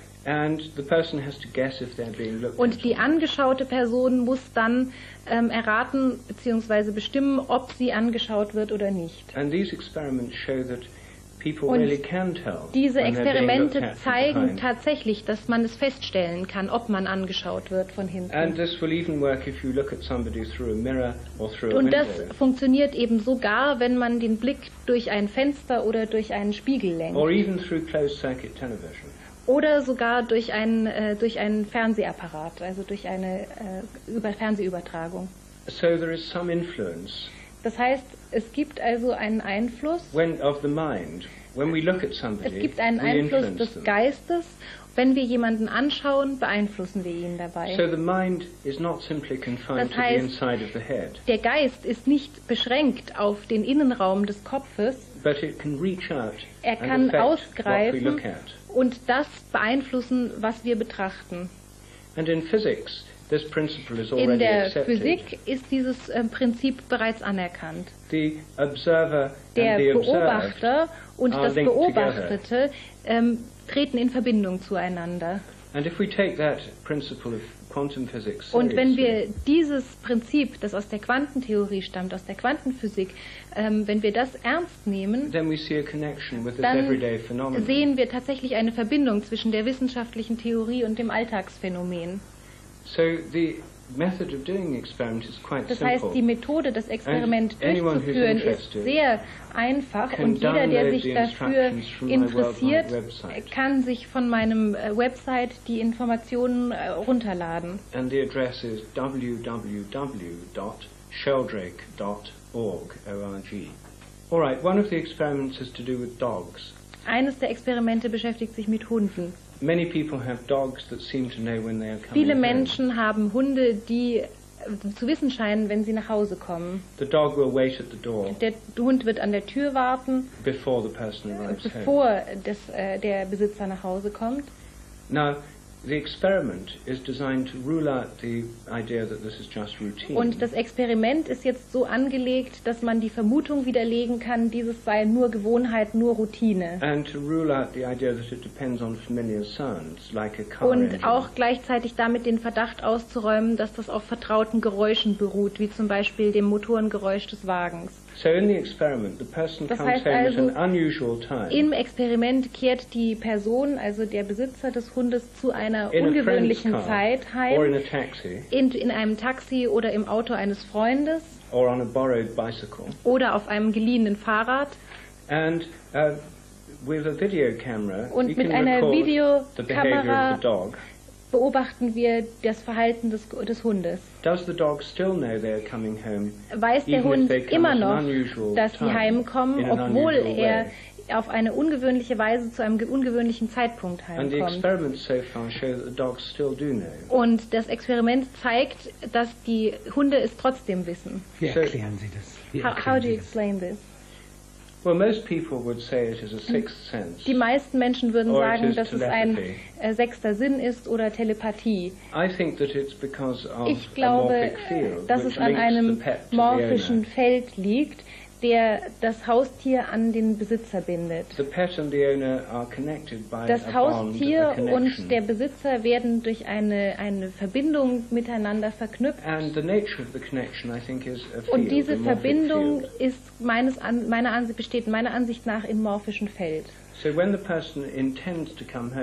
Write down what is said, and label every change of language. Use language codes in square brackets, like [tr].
[en] And the person has to guess if they're being looked [de] und die angeschaute Person muss dann erraten bzw. bestimmen, ob sie angeschaut wird oder nicht. [en] And these experiments show that people really can tell. [de] Diese Experimente zeigen tatsächlich, dass man es feststellen kann, ob man angeschaut wird von hinten. [en] And this will even work if you look at somebody through a mirror or through a window. [de] Und das funktioniert eben sogar, wenn man den Blick durch ein Fenster oder durch einen Spiegel lenkt. [en] Or even through closed circuit television. [de] Oder sogar durch einen Fernsehapparat, also durch eine Fernsehübertragung. [en] So there is some influence. [de] Das heißt, es gibt also einen Einfluss. [en] When of the mind, when we look at somebody, [de] es gibt einen Einfluss des Geistes. Wenn wir jemanden anschauen, beeinflussen wir ihn dabei. [en] So the mind is not simply confined [de] das heißt, [en] to the inside of the head. [de] Der Geist ist nicht beschränkt auf den Innenraum des Kopfes. [en] But it can reach out [de] er kann ausgreifen [en] what we look at. [de] Und das beeinflussen, was wir betrachten. [en] And in physics, this principle is already [de] in der [en] accepted. [de] Physik ist dieses Prinzip bereits anerkannt. [en] The observer [de] der [en] and the [de] Beobachter und das Beobachtete [en] together. [de] Treten in Verbindung zueinander. [en] And if we take that principle of quantum physics, [de] und wenn wir dieses Prinzip, das aus der Quantentheorie stammt, aus der Quantenphysik, wenn wir das ernst nehmen, [en] then we see a connection with [de] dann [en] this everyday phenomenon. [de] Sehen wir tatsächlich eine Verbindung zwischen der wissenschaftlichen Theorie und dem Alltagsphänomen. [en] So the method of doing the experiment is quite [de] das heißt, [en] simple. [de] Die Methode, das Experiment [en] and [de] durchzuführen, ist sehr einfach und jeder, der sich dafür interessiert, kann sich von meinem Website die Informationen runterladen. [en] And the address is www.sheldrake.org. All right, one of the experiments has to do with dogs. [de] Eines der Experimente beschäftigt sich mit Hunden. [en] Many people have dogs that seem to know when they are coming. [de] Viele Menschen haben Hunde, die zu wissen scheinen, wenn sie nach Hause kommen. [en] The dog will wait at the door. [de] Der Hund wird an der Tür warten. [en] Before the person arrives. [de] Bevor der Besitzer nach Hause kommt. [en] Now, the experiment is designed to rule out the idea that this is just routine. [de] Und das Experiment ist jetzt so angelegt, dass man die Vermutung widerlegen kann, dieses sei nur Gewohnheit, nur Routine. [en] And to rule out the idea that it depends on familiar sounds, like a car. [de] Und [en] engine. [de] Auch gleichzeitig damit den Verdacht auszuräumen, dass das auf vertrauten Geräuschen beruht, wie zum Beispiel dem Motorengeräusch des Wagens. [en] So in the experiment, the person [de] das [en] comes [de] heißt [en] home [de] also, [en] at an unusual time. [de] Im Experiment kehrt die Person, also der Besitzer des Hundes, zu einer [en] in [de] ungewöhnlichen [en] a friend's car, [de] Zeit heim. [en] Or in a taxi. [de] In einem Taxi oder im Auto eines Freundes. [en] Or on a borrowed bicycle. [de] Oder auf einem geliehenen Fahrrad. [en] And with a video camera, [de] und [en] you [de] mit [en] can [de] einer [en] record [de] Videokamera [en] the behavior of the dog. [de] Beobachten wir das Verhalten des Hundes. [en] Does the dog still know they are coming home, [de] weiß der Hund immer noch, dass sie heimkommen, obwohl er [en] way. [de] auf eine ungewöhnliche Weise zu einem ungewöhnlichen Zeitpunkt heimkommt. Und das Experiment zeigt, dass die Hunde es trotzdem wissen. Wie erklären Sie das? [en] How do you explain this? Well, most people would say it is a sixth sense. [de] Die meisten Menschen würden sagen, dass es ein sechster Sinn ist oder Telepathie. [en] I think that it's because of [de] ich glaube, dass es an einem morphischen Feld liegt, der das Haustier an den Besitzer bindet. [en] The pet and the owner are connected by [de] das Haustier [en] a bond, a [de] und der Besitzer werden durch eine Verbindung miteinander verknüpft. [en] And the nature of the connection, I think, is a field, [de] und diese Verbindung ist meiner Ansicht nach im morphischen Feld. [en] So when the person intends to come home,